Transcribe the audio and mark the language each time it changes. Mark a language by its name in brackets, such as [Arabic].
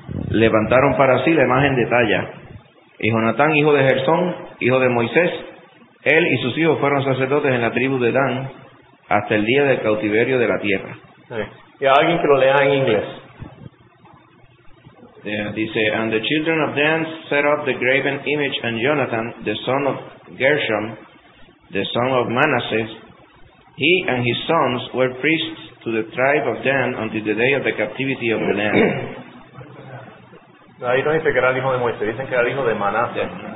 [Spanish] Levantaron para sí la imagen de talla. Y Jonatán, hijo de Gersón, hijo de Moisés, él y sus hijos fueron sacerdotes en la tribu de Dan hasta el día del cautiverio de la tierra. Y a alguien que lo lea en inglés. Dice, [English] and the children of Dan set up the graven image, and Jonathan, the son of Gershom, the son of Manasseh, he and his sons were priests to the tribe of Dan until the day of the captivity of the land. [Spanish] Ahí no dice que era el hijo de Moisés, dicen que era el hijo de Manasseh.